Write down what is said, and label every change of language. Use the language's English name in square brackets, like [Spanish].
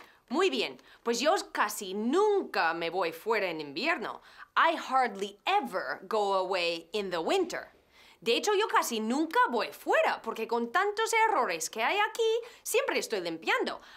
[Spanish] Muy bien, pues yo casi nunca me voy fuera en invierno. [English] I hardly ever go away in the winter. [Spanish] De hecho, yo casi nunca voy fuera, porque con tantos errores que hay aquí, siempre estoy limpiando.